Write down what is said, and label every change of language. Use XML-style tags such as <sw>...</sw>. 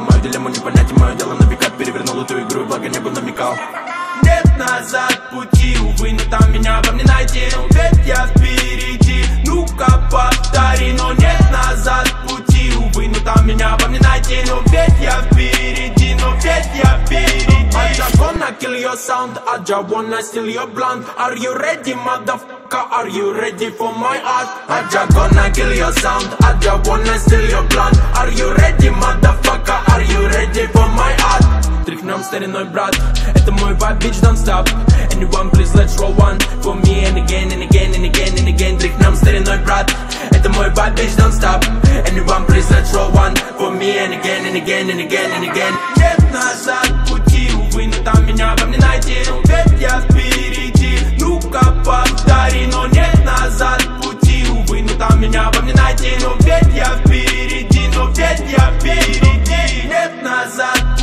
<ru>Мою дилемму не понять, и мое дело на века. Перевернул эту игру, и благо небо намекал. Нет назад пути, увы, но там меня вам не найти. Ведь я впереди, ну-ка повтори. Но нет назад пути, увы, но там меня вам не найти. Но ведь я впереди, но ведь я впереди.</ru> <en>I just wanna kill your sound, I just wanna steal your blunt. Are you ready, motherfucker? Are you ready for my art? I just gonna kill your sound, I just wanna steal your blunt. Are you ready, motherfucker? Are you ready for my art?</en> <ru>Тряхнем стариной, брат. Это мой вайб,</ru> <en>bitch, don't stop. Anyone, please, let's roll one. For me and again, and again, and again, and again.</en> <ru>Тряхнем стариной, брат. Это мой вайб,</ru> <en>bitch, don't stop. Anyone, please, let's roll one. For me and again, and again, and again, and again.</en> <ru>Нет назад пути, увы, но там меня вам не найти. Ведь я впереди, ну-ка повтори. Но нет назад пути, увы, но там меня вам не найти. Но ведь я впереди, но ведь я впереди. Нет назад.</ru>